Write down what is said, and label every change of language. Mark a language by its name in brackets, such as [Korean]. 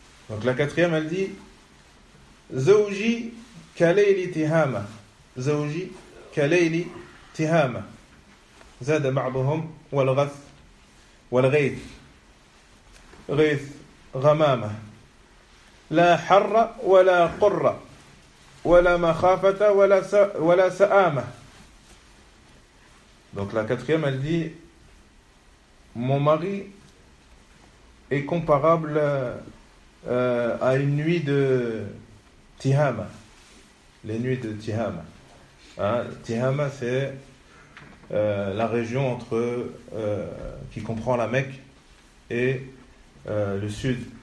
[French] Donc la quatrième, elle dit: [Arabic] زوجي كليل تهامة. زوجي كليل تهامة زاد بعضهم والغث والغيث غيث غمامة لا حر ولا قر ولا مخافة ولا سآمة. [French] Donc la quatrième, elle dit: mon mari est comparable à une nuit de Tihama. Les nuits de Tihama. Hein? Tihama, c'est la région entre qui comprend la Mecque et le sud.